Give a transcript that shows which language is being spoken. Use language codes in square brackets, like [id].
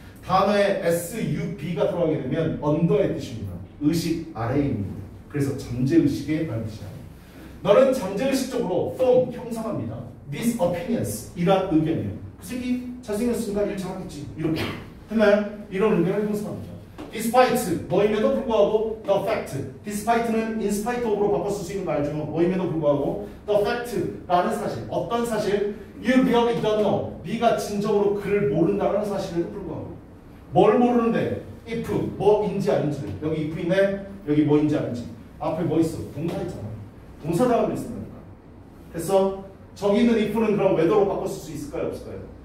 [ko] 단어에 SUB가 들어가게 되면 언더의 뜻입니다. 의식 아래입니다. 그래서 잠재의식의 라는 뜻이야. 너는 잠재의식적으로 form, 형상합니다. This opinions, 이란 의견이에요. 그 새끼 잘생겼으니까 일 잘하겠지. 이렇게. 됐나요? 이런 의견을 형상합니다. Despite, 뭐임에도 불구하고 the fact. Despite는 in spite of 로 바꿀 수 있는 말 중 뭐임에도 불구하고 the fact라는 사실, 어떤 사실? [en] You really don't know. [ko] 네가 진정으로 그를 모른다는 사실에도 불구하고 뭘 모르는데 if 뭐인지 아닌지 여기 if 있네 여기 뭐인지 아닌지 앞에 뭐 있어 동사 있잖아 동사 다음에 있으니까 그래서 저기 있는 if는 그럼 whether로 바꿨을 수 있을까요 없을까요